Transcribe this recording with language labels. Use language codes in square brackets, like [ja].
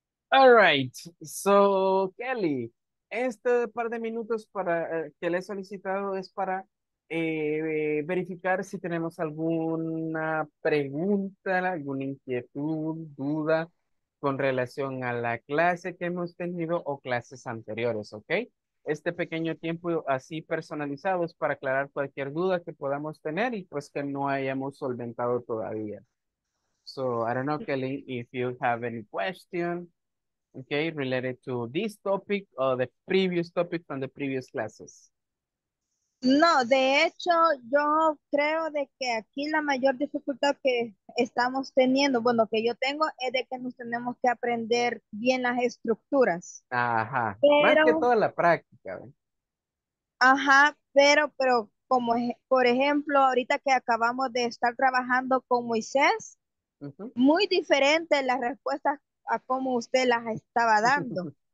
[en] All right, so [es] Kelly, este par de minutos para que le he solicitado es para verificar si tenemos alguna pregunta, alguna inquietud, duda con relación a la clase que hemos tenido o clases anteriores, ¿ok? Este pequeño tiempo así personalizado es para aclarar cualquier duda que podamos tener y pues que no hayamos solventado todavía. [en] So I don't know, Kelly, if you have any question. Okay, related to this topic or the previous topic from the previous classes. [es] No, de hecho, yo creo de que aquí la mayor dificultad que estamos teniendo, bueno, que yo tengo, es de que nos tenemos que aprender bien las estructuras. Ajá, pero, más que toda la práctica. Ajá, pero como, por ejemplo, ahorita que acabamos de estar trabajando con Moisés, muy diferente las respuestas a cómo usted las estaba dando.